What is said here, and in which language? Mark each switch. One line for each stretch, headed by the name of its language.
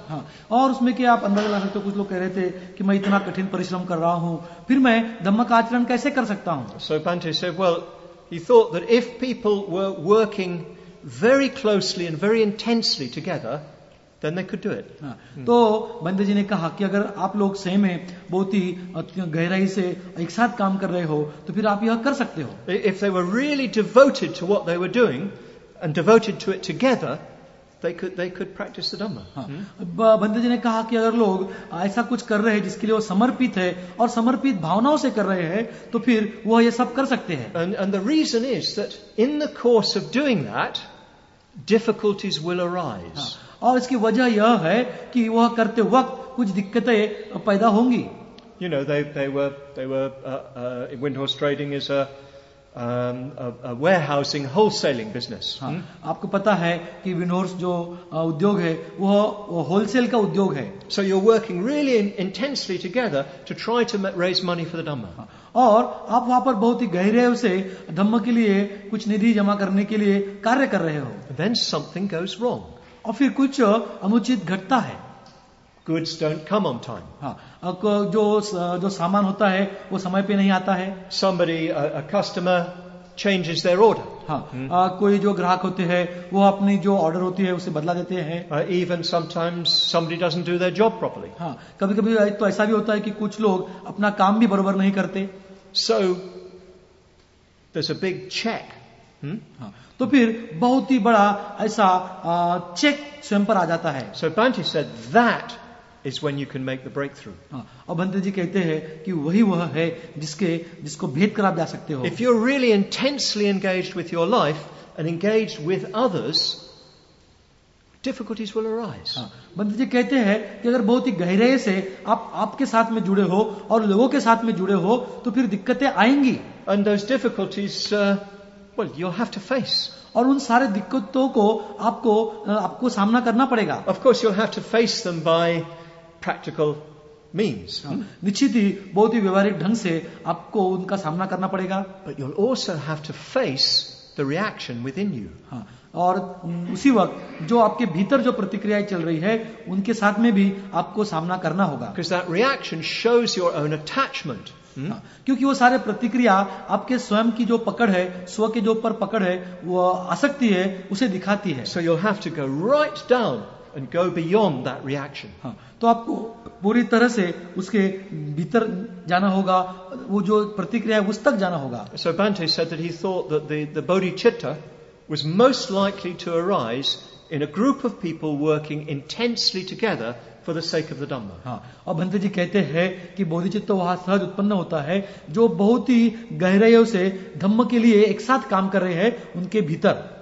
Hindi: हाँ, और उसमें क्या आप अंदाजा ला सकते हो, कुछ लोग कह रहे थे कि मैं इतना कठिन परिश्रम कर रहा हूँ, फिर मैं धम्म का आचरण कैसे कर सकता हूँ?
English: So Pante said, well, he thought that if people were working very closely and very intensely together, then they could do it.
Hindi: तो बंदे जी ने कहा कि अगर आप लोग सही में बहुत ही गहराई से एक साथ काम कर रहे हो, तो फिर आप यह कर सकते हो.
English: If they were really devoted to what they were doing and devoted to it together, they could practice the Dhamma.
Hindi: बंदे जी ने कहा कि अगर लोग ऐसा कुछ कर रहे हैं जिसके लिए वो समर्पित है और समर्पित भावनाओं से कर रहे हैं, तो फिर वह यह सब कर सकते हैं.
English: And the reason is that in the course of doing that, difficulties will arise.
Hindi: और इसकी वजह यह है कि वह करते वक्त कुछ दिक्कतें पैदा होंगी.
English: You know, they were Windhorst Trading is a warehousing wholesaling business.
Hindi: आपको पता है कि विनोर्स जो उद्योग है वह होलसेल का उद्योग है.
English: So you're working really intensely together to try to raise money for the Dhamma.
Hindi: और आप वहाँ पर बहुत ही गहरे से धम्म के लिए कुछ निधि जमा करने के लिए कार्य कर रहे हो.
English: Then something goes wrong.
Hindi: और फिर कुछ अनुचित घटता है.
English: Goods don't come on time.
Hindi: जो सामान होता है वो समय पे नहीं आता है.
English: Somebody, a customer, changes their order.
Hindi: कोई जो ग्राहक होते हैं वो अपनी जो ऑर्डर होती है उसे बदला देते हैं.
English: Even sometimes somebody doesn't do their job properly.
Hindi: कभी कभी तो ऐसा भी होता है कि कुछ लोग अपना काम भी बरोबर नहीं करते.
English: So there's a big check.
Hindi: तो फिर बहुत ही बड़ा ऐसा चेक स्वयं पर आ जाता है.
English: So Banti said that is when you can make the breakthrough.
Hindi: और बंटी जी कहते हैं कि वही वह है जिसको भेद कर आप जा सकते हो.
English: If you're really intensely engaged with your life and engaged with others, difficulties will arise.
Hindi: Bunty जी कहते हैं कि अगर बहुत ही गहराई से आपके साथ में जुड़े हो और लोगों के साथ में जुड़े हो तो फिर दिक्कतें आएंगी.
English: And those difficulties, well, you'll have to face.
Hindi: और उन सारे दिक्कतों को आपको सामना करना पड़ेगा.
English: Of course, you'll have to face them by practical means.
Hindi: निश्चित ही बहुत ही व्यवहारिक ढंग से आपको उनका सामना करना पड़ेगा.
English: But you'll also have to face the reaction within you.
Hindi: और उसी वक्त जो आपके भीतर जो प्रतिक्रियाएं चल रही है उनके साथ में भी आपको सामना करना होगा.
English: Because that reaction shows your own attachment.
Hindi: क्योंकि वो सारे प्रतिक्रिया आपके स्वयं की जो पकड़ है, स्व के जो पर पकड़ है, वो आसक्ति है, उसे दिखाती है.
English: So you'll have to go right down and go beyond that reaction.
Hindi: तो आपको पूरी तरह से उसके भीतर जाना होगा, वो जो प्रतिक्रिया है उस तक जाना होगा.
English: So Bante said that he thought that the bodhicitta was most likely to arise in a group of people working intensely together for the sake of the Dhamma.
Hindi: और भंते जी कहते हैं कि बोधिचित्त वहां सहज उत्पन्न होता है जो बहुत ही गहराइयों से धम्म के लिए एक साथ काम कर रहे हैं उनके भीतर.